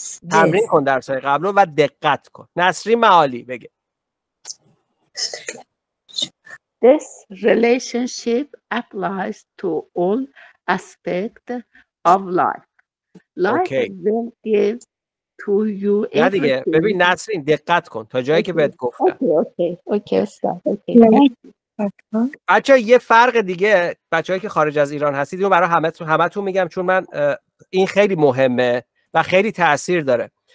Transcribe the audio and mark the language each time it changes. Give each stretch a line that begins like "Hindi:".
Persian: تمرین کن درس‌های قبل و دقت کن. نصری معالی بگه.
English: This relationship applies to all aspects of life. Life will give to you everything.
Persian: نه دیگه. ببین نصری دقت کن تا جایی که بهت گفتم. Okay. بچه یه فرق دیگه، بچه هایی که خارج از ایران هستید اینو برای همتون میگم چون من این خیلی مهمه و خیلی تأثیر داره.